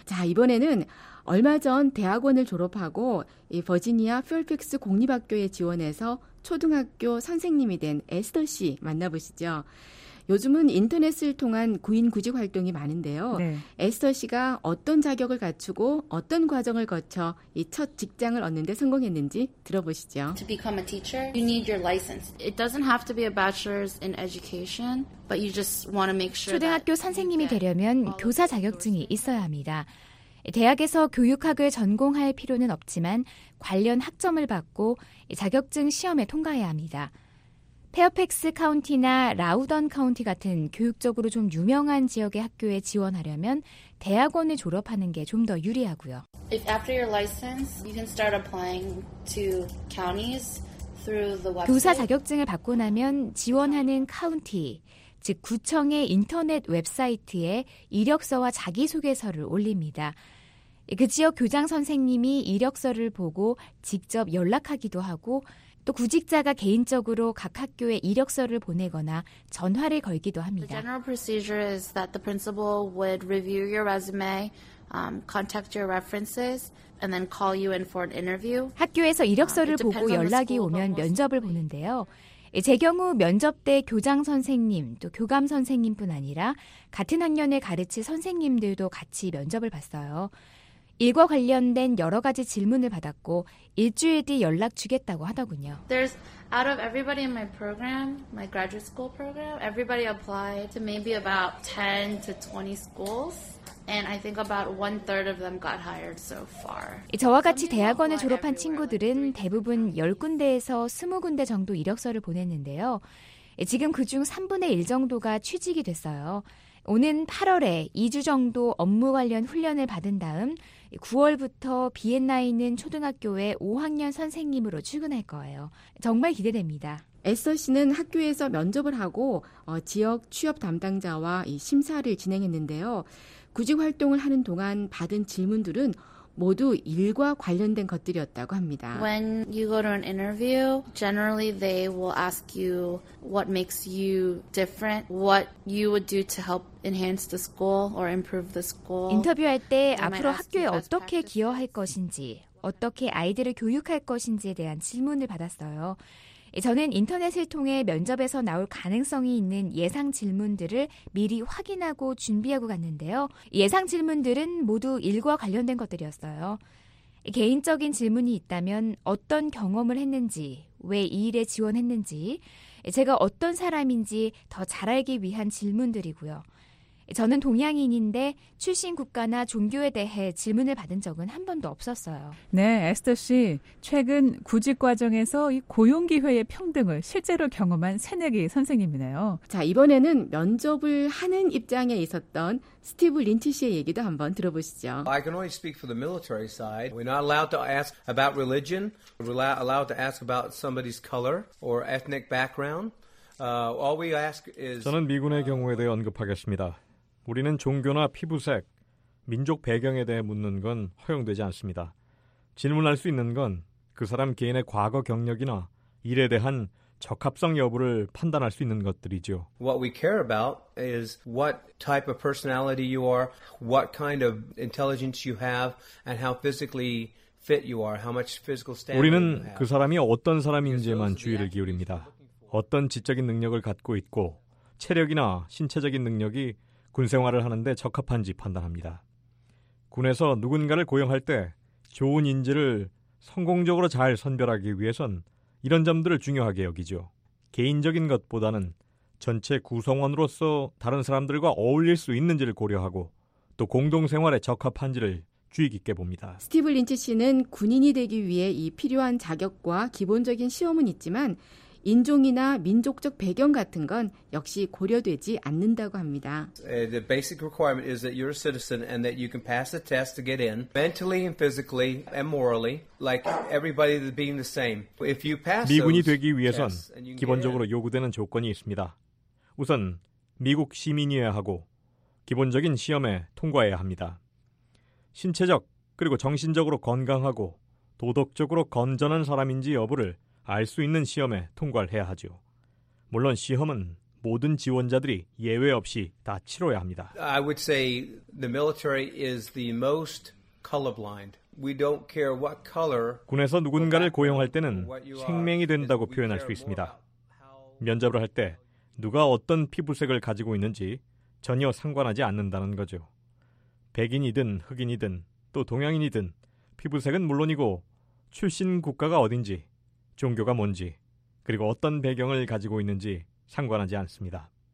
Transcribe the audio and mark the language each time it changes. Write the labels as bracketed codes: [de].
[ko] 자, 이번에는 얼마 전 대학원을 졸업하고 이 버지니아 필픽스 공립학교에 지원해서 초등학교 선생님이 된 에스더 씨 만나보시죠. 요즘은 인터넷을 통한 구인 구직 활동이 많은데요. 네. 에스더 씨가 어떤 자격을 갖추고 어떤 과정을 거쳐 이 첫 직장을 얻는 데 성공했는지 들어보시죠. [en] To become a teacher, you need your license. It doesn't have to be a bachelor's in education, but you just want to make sure [ko] 초등학교 선생님이 되려면 교사 자격증이 있어야 합니다. 대학에서 교육학을 전공할 필요는 없지만 관련 학점을 받고 자격증 시험에 통과해야 합니다. 페어팩스 카운티나 라우던 카운티 같은 교육적으로 좀 유명한 지역의 학교에 지원하려면 대학원을 졸업하는 게 좀 더 유리하고요. [en] If after your license, you can start applying to counties through the website. [ko] 교사 자격증을 받고 나면 지원하는 카운티, 즉 구청의 인터넷 웹사이트에 이력서와 자기소개서를 올립니다. 그 지역 교장 선생님이 이력서를 보고 직접 연락하기도 하고 또 구직자가 개인적으로 각 학교에 이력서를 보내거나 전화를 걸기도 합니다. [en] The general procedure is that the principal would review your resume, contact your references, and then call you in for an interview. [ko] 학교에서 이력서를 보고 연락이 오면 면접을 보는데요. 제 경우 면접 때 교장 선생님, 또 교감 선생님뿐 아니라 같은 학년에 가르칠 선생님들도 같이 면접을 봤어요. 일과 관련된 여러 가지 질문을 받았고 일주일 뒤 연락 주겠다고 하더군요. [en] There's out of everybody in my program, my graduate school program, everybody applied to maybe about 10 to 20 schools. And I think about one third of them got hired so far. [ko] 저와 같이 대학원을 졸업한 친구들은 대부분 10군데에서 20군데 정도 이력서를 보냈는데요. 지금 그중 3분의 1 정도가 취직이 됐어요. 오는 8월에 2주 정도 업무 관련 훈련을 받은 다음 9월부터 비엔나에 있는 초등학교의 5학년 선생님으로 출근할 거예요. 정말 기대됩니다. 에스더 씨는 학교에서 면접을 하고 지역 취업 담당자와 심사를 진행했는데요. 구직 활동을 하는 동안 받은 질문들은 모두 일과 관련된 것들이었다고 합니다. [en] When you go to an interview, generally they will ask you what makes you different, what you would do to help enhance the school or improve the school. [ko] 인터뷰할 때 앞으로 학교에 어떻게 기여할 것인지, 어떻게 아이들을 교육할 것인지에 대한 질문을 받았어요. 저는 인터넷을 통해 면접에서 나올 가능성이 있는 예상 질문들을 미리 확인하고 준비하고 갔는데요. 예상 질문들은 모두 일과 관련된 것들이었어요. 개인적인 질문이 있다면 어떤 경험을 했는지, 왜 이 일에 지원했는지, 제가 어떤 사람인지 더 잘 알기 위한 질문들이고요. 저는 동양인인데 출신 국가나 종교에 대해 질문을 받은 적은 한 번도 없었어요. 네, 에스더 씨, 최근 구직 과정에서 이 고용 기회의 평등을 실제로 경험한 새내기 선생님이네요. 자, 이번에는 면접을 하는 입장에 있었던 스티브 린치 씨의 얘기도 한번 들어보시죠. [en] I can only speak for the military side. We're not allowed to ask about religion. We're allowed to ask about somebody's color or ethnic background. All we ask is [ko] 저는 미군의 경우에 대해 언급하겠습니다. 우리는 종교나 피부색, 민족 배경에 대해 묻는 건 허용되지 않습니다. 질문할 수 있는 건 그 사람 개인의 과거 경력이나 일에 대한 적합성 여부를 판단할 수 있는 것들이죠. [en] What we care about is what type of personality you are, what kind of intelligence you have, and how physically fit you are, how much physical stamina you have. [ko] 우리는 그 사람이 어떤 사람인지에만 주의를 기울입니다. 어떤 지적인 능력을 갖고 있고 체력이나 신체적인 능력이 군 생활을 하는데 적합한지 판단합니다. 군에서 누군가를 고용할 때 좋은 인재를 성공적으로 잘 선별하기 위해선 이런 점들을 중요하게 여기죠. 개인적인 것보다는 전체 구성원으로서 다른 사람들과 어울릴 수 있는지를 고려하고 또 공동생활에 적합한지를 주의 깊게 봅니다. 스티브 린치 씨는 군인이 되기 위해 이 필요한 자격과 기본적인 시험은 있지만 인종이나 민족적 배경 같은 건 역시 고려되지 않는다고 합니다. [en] The basic requirement is that you're a citizen and that you can pass the test to get in mentally and physically and morally, like everybody being the same. If you pass those [ko] 미군이 되기 위해선 기본적으로 요구되는 조건이 있습니다. 우선 미국 시민이어야 하고 기본적인 시험에 통과해야 합니다. 신체적 그리고 정신적으로 건강하고 도덕적으로 건전한 사람인지 여부를 알 수 있는 시험에 통과를 해야 하죠. 물론 시험은 모든 지원자들이 예외 없이 다 치러야 합니다. [en] I would say the military is the most colorblind. We don't care what color. [ko] 군에서 누군가를 고용할 때는 생명이 된다고 표현할 수 있습니다. 면접을 할 때 누가 어떤 피부색을 가지고 있는지 전혀 상관하지 않는다는 거죠. 백인이든 흑인이든 또 동양인이든 피부색은 물론이고 출신 국가가 어딘지 종교가 뭔지 그리고 어떤 배경을 가지고 있는지 상관하지 않습니다.